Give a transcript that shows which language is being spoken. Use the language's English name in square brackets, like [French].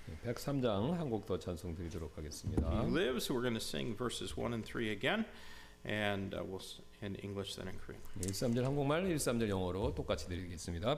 [Korean] 103장 한 곡 더 찬송 드리도록 하겠습니다. [English] He lives, we're going to sing verses 1 and 3 again, and we'll in English, then in Korean. [Korean] 103절 한국말, 103절 영어로 똑같이 드리겠습니다.